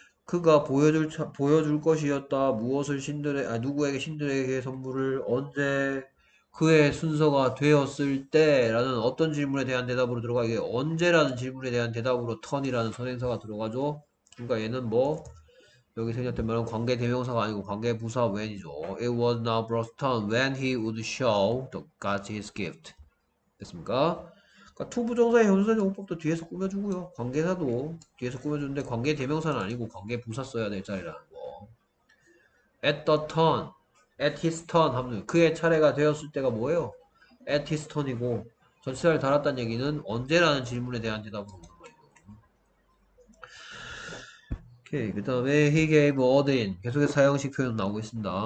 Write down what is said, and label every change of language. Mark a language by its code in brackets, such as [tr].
[ko] 그가 보여줄 것이었다. 무엇을 신들의 아 누구에게 신들에게 선물을 언제 그의 순서가 되었을 때라는 어떤 질문에 대한 대답으로 들어가 이게 언제라는 질문에 대한 대답으로 턴이라는 선행사가 들어가죠. 그러니까 얘는 뭐 여기 생겼던 말은 관계 대명사가 아니고 관계 부사 when이죠. [en] It was now Brock's turn when he would show the god his gift. [ko] 됐습니까? 그러니까 to 부정사의 현우선용법도 뒤에서 꾸며주고요. 관계사도 뒤에서 꾸며주는데 관계 대명사는 아니고 관계 부사 써야 될 자리라는 거. [en] At the turn, at his turn [ko] 하면 그의 차례가 되었을 때가 뭐예요? [en] At his turn [ko] 이고 전치사를 달았다는 얘기는 언제라는 질문에 대한 대답으로 오는 거예요. 오케이, 그 다음에 [en] he gave Odin [ko] 계속해서 사형식 표현 나오고 있습니다.